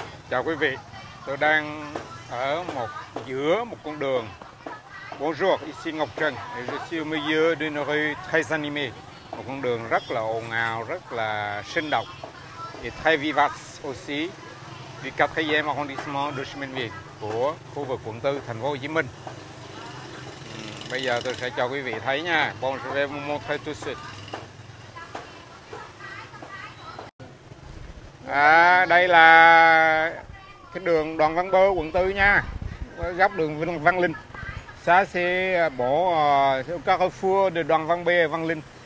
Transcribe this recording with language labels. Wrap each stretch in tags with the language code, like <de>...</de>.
<vi>Chào quý vị, tôi đang ở một giữa một con đường.</vi> <fr>Bonjour, ici Ngọc Trần. Je suis au milieu d'une rue très animée.</fr> <vi>Một con đường rất là ồn ào, rất là sinh động.</vi> <fr>Et très vivace aussi du 4e arrondissement de Chemin Vieux</fr> <vi>của khu vực quận 4, thành phố Hồ Chí Minh. Bây giờ tôi sẽ cho quý vị thấy nha.</vi> <fr>Bonjour, je vous montre tout de suite.</fr> <vi>À, đây là cái đường Đoàn Văn Bơ, quận 4 nha, góc đường Văn Linh.</vi> <fr>Ça c'est bon, au carrefour de Đoàn Văn Bơ, Văn Linh.</fr>